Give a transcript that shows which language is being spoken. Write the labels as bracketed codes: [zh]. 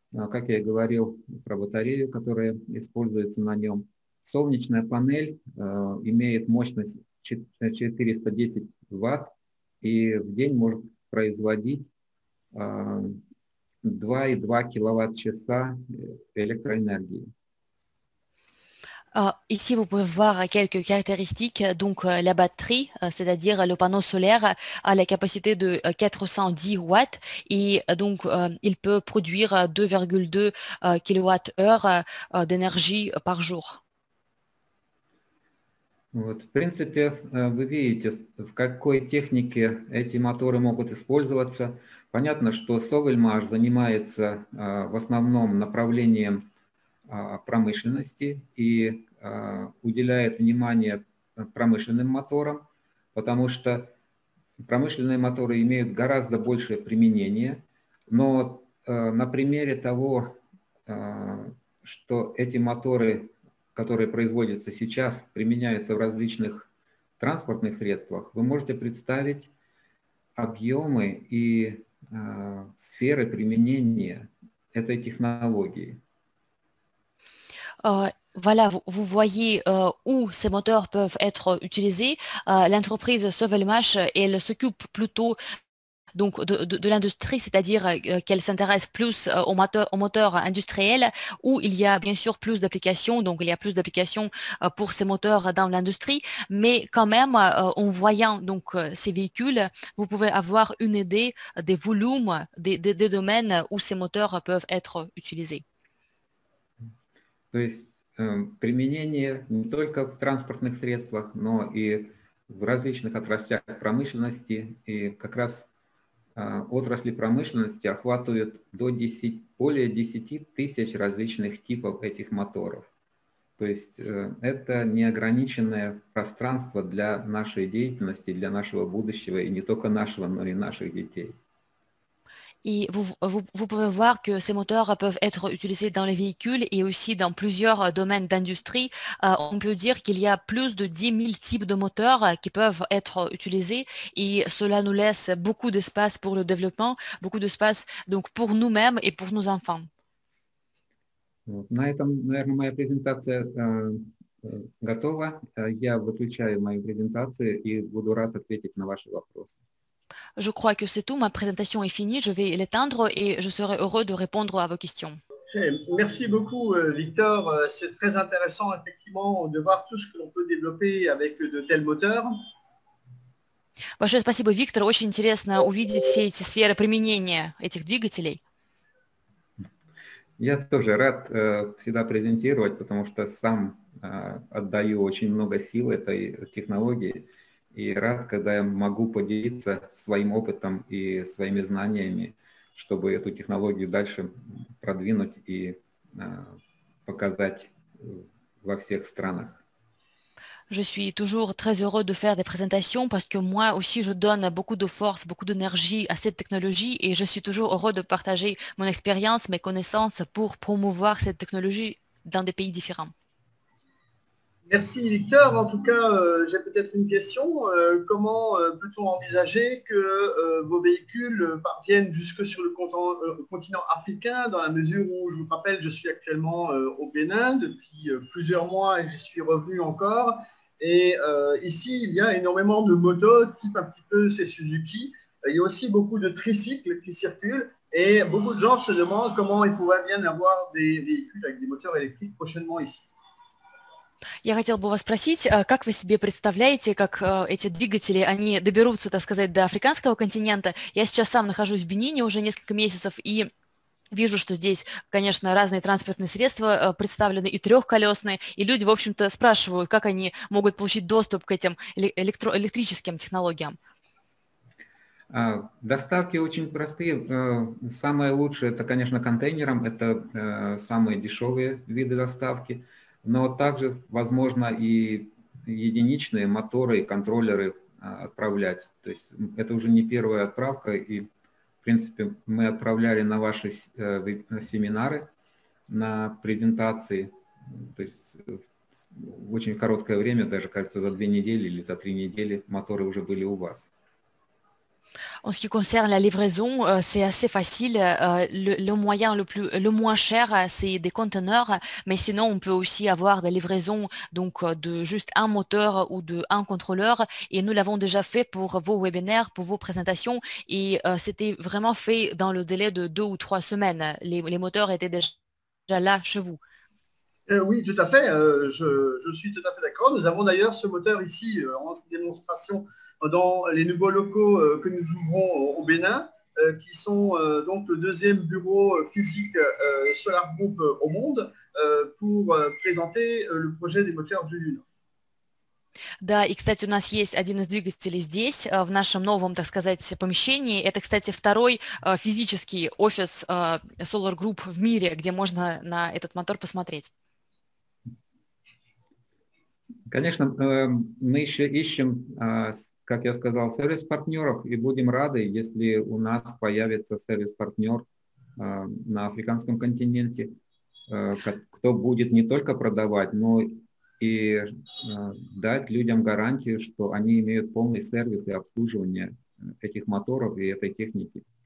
[ru] Как я и говорил, про батарею, которая используется на нем. Солнечная панель имеет мощность 410 Вт и в день может производить 2,2 кВт-часа электроэнергии. [fr] Ici, vous pouvez voir quelques caractéristiques. Donc, la batterie, c'est-à-dire le panneau solaire, a la capacité de 410 watts et donc il peut produire 2,2 kWh d'énergie par jour. [ru] Вот, в принципе, вы видите, в какой технике эти моторы могут использоваться. Понятно, что Совельмаш занимается в основном направлением промышленности и уделяет внимание промышленным моторам, потому что промышленные моторы имеют гораздо большее применение. Но на примере того, что эти моторы, которые производятся сейчас, применяются в различных транспортных средствах, вы можете представить объемы и сферы применения этой технологии. [fr] Voilà, vous voyez où ces moteurs peuvent être utilisés. L'entreprise Sovelmash, elle s'occupe plutôt donc de l'industrie, c'est-à-dire qu'elle s'intéresse plus aux moteurs industriels, où il y a bien sûr plus d'applications, donc il y a plus d'applications pour ces moteurs dans l'industrie, mais quand même, en voyant donc ces véhicules, vous pouvez avoir une idée des volumes, des domaines où ces moteurs peuvent être utilisés. [ru] То есть применение не только в транспортных средствах, но и в различных отраслях промышленности. И как раз отрасли промышленности охватывают до 10, более 10 тысяч различных типов этих моторов. То есть это неограниченное пространство для нашей деятельности, для нашего будущего, и не только нашего, но и наших детей. [fr] Et vous pouvez voir que ces moteurs peuvent être utilisés dans les véhicules et aussi dans plusieurs domaines d'industrie. On peut dire qu'il y a plus de 10 000 types de moteurs qui peuvent être utilisés et cela nous laisse beaucoup d'espace pour le développement, beaucoup d'espace donc pour nous-mêmes et pour nos enfants. [ru] На этом, наверное, моя презентация готова. Я выключаю мою презентацию и буду рад ответить на ваши вопросы. [fr] Je crois que c'est tout, ma présentation est finie, je vais l'éteindre et je serai heureux de répondre à vos questions. Merci beaucoup Victor, c'est très intéressant effectivement de voir tout ce que l'on peut développer avec de tels moteurs. [ru] Большое спасибо, Виктор, очень интересно увидеть все эти сферы применения этих двигателей. Я тоже рад всегда презентировать, потому что сам отдаю очень много сил этой технологии. И рад, когда я могу поделиться своим опытом и своими знаниями, чтобы эту технологию дальше продвинуть и показать во всех странах. [fr] Je suis toujours très heureux de faire des présentations parce que moi aussi je donne beaucoup de force, beaucoup d'énergie à cette technologie et je suis toujours heureux de partager mon expérience, mes connaissances pour promouvoir cette technologie dans des pays différents. Merci Victor. En tout cas, j'ai peut-être une question. Comment peut-on envisager que vos véhicules parviennent jusque sur le continent africain, dans la mesure où, je vous rappelle, je suis actuellement au Bénin depuis plusieurs mois et j'y suis revenu encore. Et ici, il y a énormément de motos, type un petit peu ces Suzuki. Il y a aussi beaucoup de tricycles qui circulent et beaucoup de gens se demandent comment ils pourraient bien avoir des véhicules avec des moteurs électriques prochainement ici. [ru] Я хотела бы вас спросить, как вы себе представляете, как эти двигатели, они доберутся, так сказать, до африканского континента? Я сейчас сам нахожусь в Бенине уже несколько месяцев, и вижу, что здесь, конечно, разные транспортные средства представлены, и трехколесные, и люди, в общем-то, спрашивают, как они могут получить доступ к этим электрическим технологиям. Доставки очень простые. Самое лучшее, это, конечно, контейнером, это самые дешевые виды доставки, но также, возможно, и единичные моторы и контроллеры отправлять. То есть это уже не первая отправка, и, в принципе, мы отправляли на ваши семинары, на презентации, то есть в очень короткое время, даже, кажется, за 2 недели или за 3 недели моторы уже были у вас. [fr] En ce qui concerne la livraison, c'est assez facile. Le moyen le moins cher, c'est des conteneurs. Mais sinon, on peut aussi avoir des livraisons donc, de juste un moteur ou de un contrôleur. Et nous l'avons déjà fait pour vos webinaires, pour vos présentations. Et c'était vraiment fait dans le délai de 2 ou 3 semaines. Les moteurs étaient déjà là chez vous. Oui, tout à fait. Je suis tout à fait d'accord. Nous avons d'ailleurs ce moteur ici en démonstration dans les nouveaux locaux que nous ouvrons au Bénin, qui sont donc le deuxième bureau physique Solar Group au monde, pour présenter le projet des moteurs du Lune. [ru] Да, и, кстати, у нас есть один из двигателей здесь, в нашем новом, так сказать, помещении. Это, кстати, второй физический офис Solar Group в мире, где можно на этот мотор посмотреть. Конечно, мы еще ищем, как я сказал, сервис-партнеров, и будем рады, если у нас появится сервис-партнер на африканском континенте, кто будет не только продавать, но и дать людям гарантию, что они имеют полный сервис и обслуживание этих моторов и этой техники.